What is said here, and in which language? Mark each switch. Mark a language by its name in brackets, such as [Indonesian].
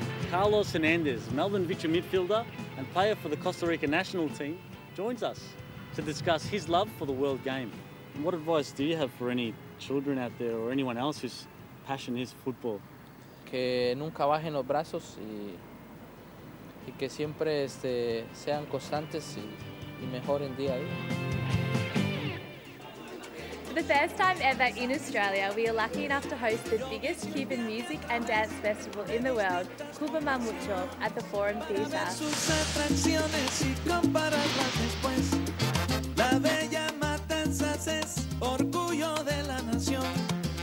[English] Carlos Hernandez, Melbourne Victory midfielder and player for the Costa Rica national team, joins us to discuss his love for the world game. And what advice do you have for any children out there or anyone else whose passion is football? [Spanish] Que nunca bajen los brazos y que siempre sean constantes y mejoren día a día. [English] For the first time ever in Australia, we are lucky enough to host the biggest Cuban music and dance festival in the world, Cuba Mamucho, at the Forum Theatre.